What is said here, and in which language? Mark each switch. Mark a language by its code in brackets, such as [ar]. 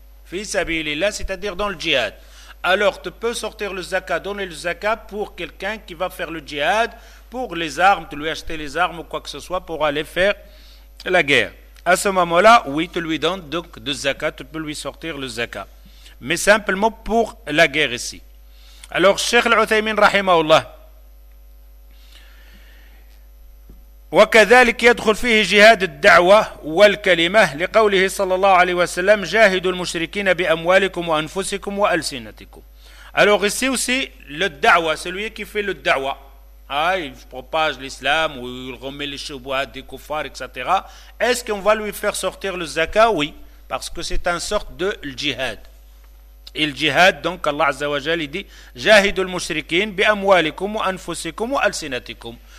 [fr] fi sabilillah, c'est-à-dire dans le djihad. Alors tu peux sortir le zakat, donner le zakat pour quelqu'un qui va faire le djihad, pour les armes, tu lui acheter les armes ou quoi que ce soit pour aller faire la guerre. À ce moment-là, oui, tu lui donnes donc le zakat, tu peux lui sortir le zakat. Mais simplement pour la guerre ici. Alors, [ar] Cheikh Al-Uthaymin, rahimahullah, وكذلك يدخل فيه جهاد الدعوة والكلمة لقوله صلى الله عليه وسلم جاهدوا المشركين بأموالكم وأنفسكم وألسنتكم. [fr] Alors ici aussi le da'wa, celui qui fait le da'wa, il propage l'islam ou il remet les choubouades des kuffars, etc. Est-ce qu'on va lui faire sortir le zakat? Oui, parce que c'est une sorte de jihad. Et le jihad, donc Allah Azza wa Jal dit [ar] جاهدوا المشركين بأموالكم وأنفسكم وألسنتكم.